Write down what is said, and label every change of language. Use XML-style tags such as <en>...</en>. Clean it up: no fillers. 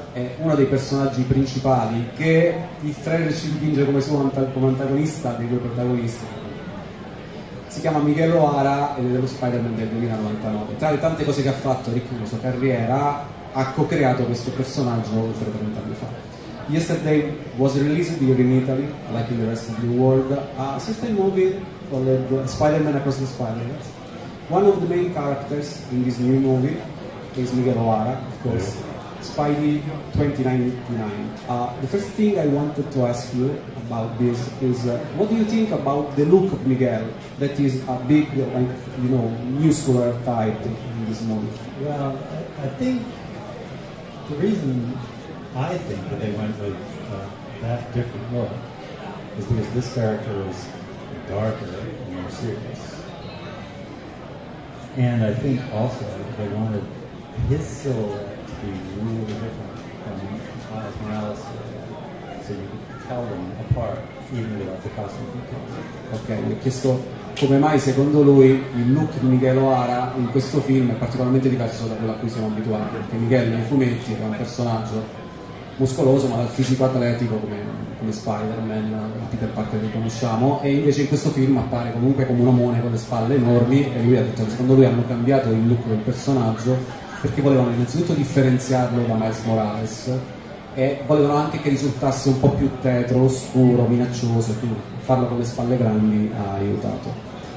<it>È uno dei personaggi principali che il trailer ci dipinge come suo antagonista dei due protagonisti. Si chiama Miguel O'Hara ed è dello Spider-Man del 2099. Tra le tante cose che ha fatto Rick nella sua carriera, ha co-creato questo personaggio oltre 30 anni fa.</it> <en>Yesterday was released here in Italy, like in the rest of the world, a certain movie called Spider-Man Across the Spider-Verse. One of the main characters in this new movie is Miguel O'Hara, of course, yeah. Spidey 2099. The first thing I wanted to ask you about this is, what do you think about the look of Miguel, that is a big, like, you know, muscular type in this movie? Well, I think the reason I think that they went with that different look is because this character is darker and more serious. And I think also they wanted his silhouette to be really different from Miles Morales, so you could tell them apart, even without the costume details.</en> <it>Okay, mi ha chiesto come mai secondo lui il look di Miguel O'Hara in questo film è particolarmente diverso da quello a cui siamo abituati, perché Miguel nei fumetti era un personaggio muscoloso ma dal fisico atletico come Spider-Man, Peter Parker che conosciamo, e invece in questo film appare comunque come un omone con le spalle enormi, e lui ha detto che secondo lui hanno cambiato il look del personaggio perché volevano innanzitutto differenziarlo da Miles Morales e volevano anche che risultasse un po' più tetro, oscuro, minaccioso, quindi farlo con le spalle grandi ha aiutato.</it>